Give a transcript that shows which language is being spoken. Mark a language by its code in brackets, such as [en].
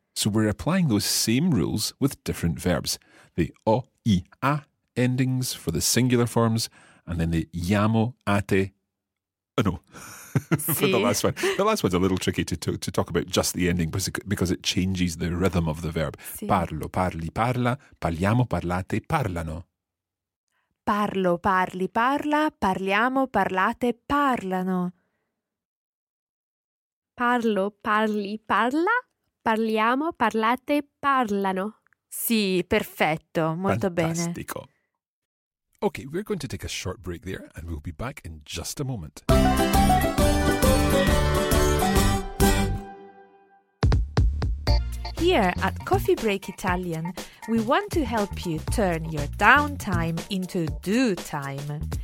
[en] So we're applying those same rules with different verbs. The o, I, a endings for the singular forms, and then the yamo, ate, oh no, [it] si. [en] For the last one. The last one's a little tricky to talk about just the ending because it changes the rhythm of the verb. [it] Si. Parlo, parli, parla, parliamo, parlate, parlano. Parlo, parli, parla, parliamo, parlate, parlano. Parlo, parli, parla. Parliamo, parlate, parlano. Sì, perfetto, molto bene. Fantastico. [en] Okay, we're going to take a short break there and we'll be back in just a moment. Here at Coffee Break Italian, we want to help you turn your downtime into do time.